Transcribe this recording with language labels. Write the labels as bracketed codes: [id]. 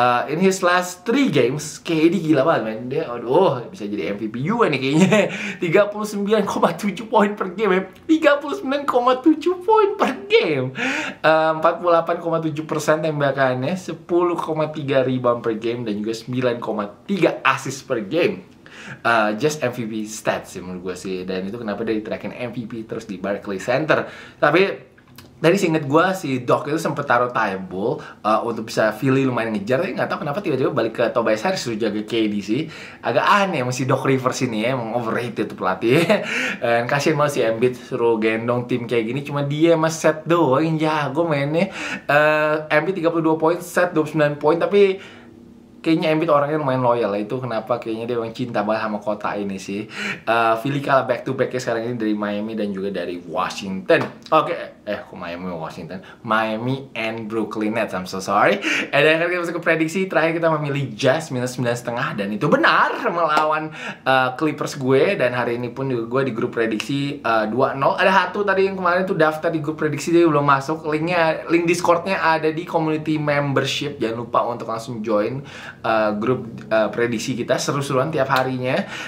[en] In his last 3 games, KD [id] gila banget, [en] man. [id] Dia, aduh, bisa jadi MVP juga nih kayaknya. [en] 39,7 point per game, man. 39,7 point per game. [id] 48,7% tembakannya, 10,3 rebound per game, dan juga 9,3 assist per game. [en] Just MVP stats [id] sih menurut gue sih. Dan itu kenapa dia diterakin MVP terus di Barclays Center. Tapi dari seinget gue, si Doc itu sempet taruh table untuk bisa Philly lumayan ngejar. Tapi gak tau kenapa tiba-tiba balik ke Tobias Harris untuk jaga KD sih. Agak aneh sama si Doc Rivers ini ya. Emang overrated tuh pelatih. Dan kasihan banget si Embiid suruh gendong tim kayak gini. Cuma dia sama Seth doang yang jago mainnya. Embiid 32 poin, Seth 29 poin. Tapi kayaknya Embiid orangnya lumayan loyal lah. Itu kenapa kayaknya dia memang cinta banget sama kota ini sih. Philly kalah back to back-nya sekarang ini dari Miami dan juga dari Washington. Oke, kok Miami Washington? [en] Miami and Brooklyn Nets, I'm so sorry. [id] Dan akhirnya kita masuk ke prediksi. Terakhir kita memilih Jazz minus 9,5. Dan itu benar melawan Clippers gue. Dan hari ini pun juga gue di grup prediksi 2-0. Ada satu tadi yang kemarin tuh daftar di grup prediksi, dia belum masuk. Link Discord-nya ada di community membership. Jangan lupa untuk langsung join grup prediksi kita, seru-seruan tiap harinya.